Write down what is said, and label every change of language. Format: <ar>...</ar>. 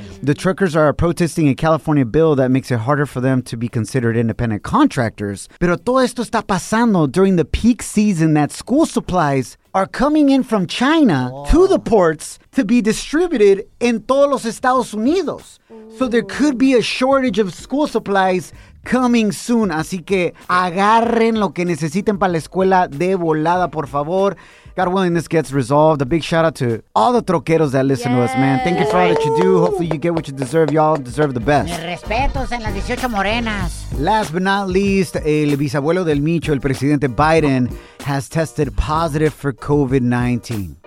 <en>The truckers are protesting a California bill that makes it harder for them to be considered independent contractors.</en> <es>Pero todo esto está pasando</es> <en>during the peak season that school supplies are coming in from China to the ports to be distributed in</en> <es>todos los Estados Unidos.</es> <en>So there could be a shortage of school supplies coming soon.</en> <es>Así que agarren lo que necesiten para la escuela de volada, por favor.</es> <en>God willing, this gets resolved. A big shout out to all the troqueros that listen to us, man. Thank you for all that you do. Hopefully you get what you deserve. Y'all deserve the best.</en> <es>Mis respetos en las 18 morenas.</es> <en>Last but not least,</en> <es>el bisabuelo del Micho, el presidente Biden,</es> <en>has tested positive for COVID-19.</en>